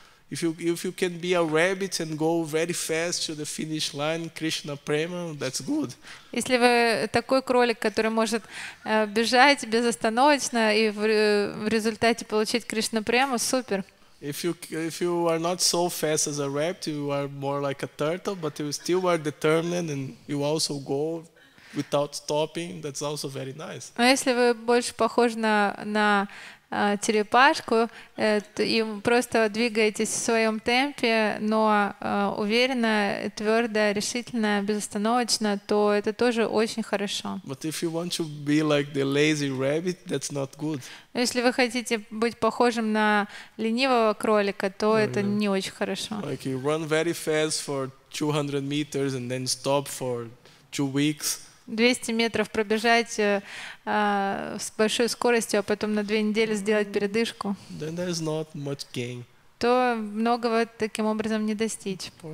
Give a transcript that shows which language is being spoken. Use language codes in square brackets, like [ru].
[en] If you can be a rabbit and go very fast to the finish line, Krishna prema, that's good. [ru] Если вы такой кролик, который может бежать безостановочно и в результате получить Кришна прему, супер. [en] If you are not so fast as a rabbit, you are more like a turtle, but you still are determined and you also go without stopping, that's also very nice. [ru] А если вы больше похожи на черепашку, и просто двигаетесь в своем темпе, но уверенно, твердо, решительно, безостановочно, то это тоже очень хорошо. [en] But if you want to be like the lazy rabbit, that's not good. [ru] Если вы хотите быть похожим на ленивого кролика, то это не очень хорошо. [en] Like you run very fast for 200 meters and then stop for 2 weeks. [ru] 200 метров пробежать с большой скоростью, а потом на 2 недели сделать передышку, [en] then there's not much gain. [ru] То многого таким образом не достичь.